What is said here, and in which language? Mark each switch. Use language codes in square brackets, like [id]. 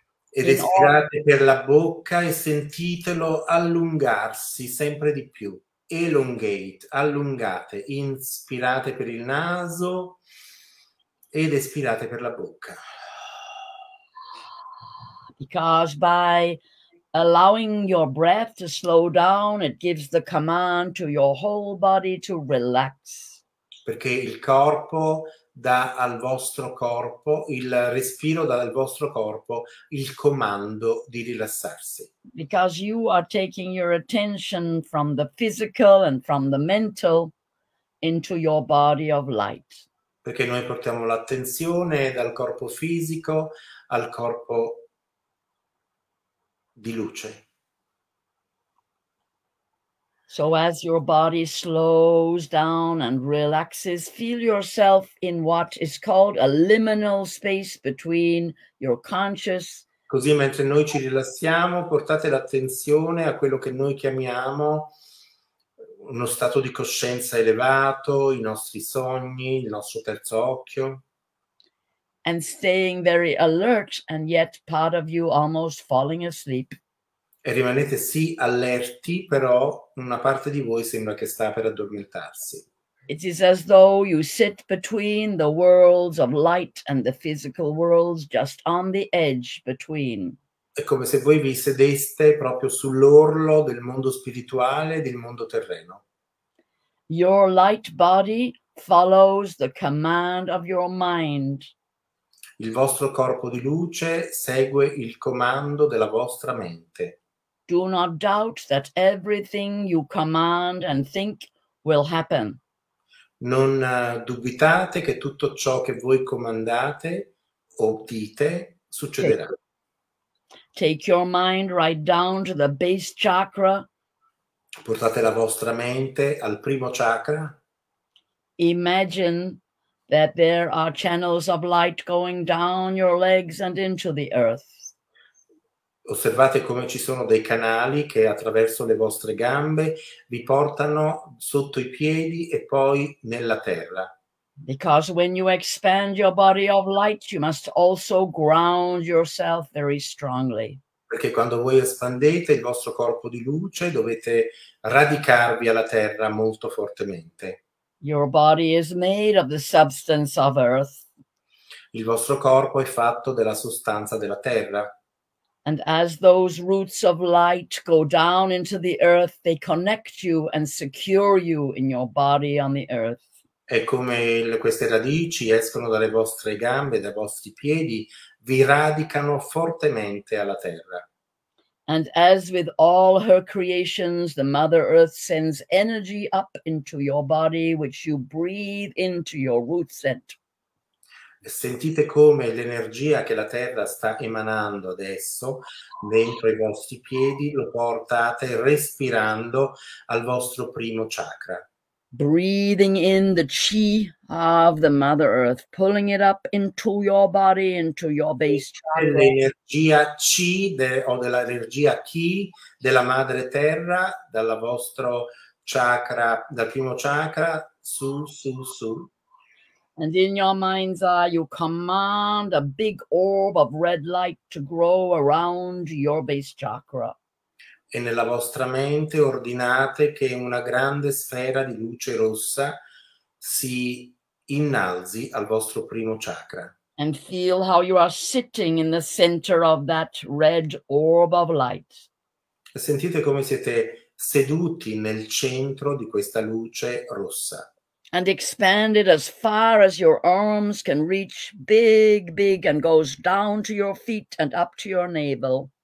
[it] E respirate per la bocca e sentitelo allungarsi sempre di più. [en] Elongate, [it] allungate, inspirate per il naso ed espirate per la bocca. [en] Because by allowing your breath to slow down, it gives the command to your whole body to relax. [it] Perché il corpo dà al vostro corpo, il respiro dà al vostro corpo il comando di rilassarsi. [en] Because you are taking your attention from the physical and from the mental into your body of light. [it] Perché noi portiamo l'attenzione dal corpo fisico al corpo di luce. [en] So as your body slows down and relaxes, feel yourself in what is called a liminal space between your conscious. [it] Così mentre noi ci rilassiamo, portate l'attenzione a quello che noi chiamiamo uno stato di coscienza elevato, i nostri sogni, il nostro terzo occhio. [en] and staying very alert, and yet part of you almost falling asleep. [it] E rimanete sì allerti, però una parte di voi sembra che sta per addormentarsi. [en] It is as though you sit between the worlds of light and the physical worlds, just on the edge between. [it] È come se voi vi sedeste proprio sull'orlo del mondo spirituale e del mondo terreno. [en] Your light body follows the command of your mind. [it] Il vostro corpo di luce segue il comando della vostra mente. [en] Do not doubt that everything you command and think will happen. [it] Non dubitate che tutto ciò che voi comandate o dite succederà. [en] Take your mind right down to the base chakra. [it] Portate la vostra mente al primo chakra. [en] Imagine that there are channels of light going down your legs and into the earth. [it] Osservate come ci sono dei canali che attraverso le vostre gambe vi portano sotto i piedi e poi nella terra. [en] Because when you expand your body of light, you must also ground yourself very strongly. [it] Perché quando voi espandete il vostro corpo di luce, dovete radicarvi alla terra molto fortemente. [en] Your body is made of the substance of earth. [it] Il vostro corpo è fatto della sostanza della terra. [en] And as those roots of light go down into the earth, they connect you and secure you in your body on the earth. [it] E come queste radici escono dalle vostre gambe, dai vostri piedi, vi radicano fortemente alla terra. [en] And as with all her creations, the Mother Earth sends energy up into your body, which you breathe into your root set. [it] Sentite come l'energia che la terra sta emanando adesso dentro i vostri piedi lo portate respirando al vostro primo chakra. [en] Breathing in the chi of the Mother Earth, pulling it up into your body, into your base chakra. [it] L'energia chi o dell'energia chi della Madre Terra dal vostro chakra, dal primo chakra, su. [en] And in your mind's eye, you command a big orb of red light to grow around your base chakra. [it] E nella vostra mente ordinate che una grande sfera di luce rossa si innalzi al vostro primo chakra. [en] And feel how you are sitting in the center of that red orb of light. [it] E sentite come siete seduti nel centro di questa luce rossa. [en] And expand it as far as your arms can reach, big, and goes down to your feet and up to your navel.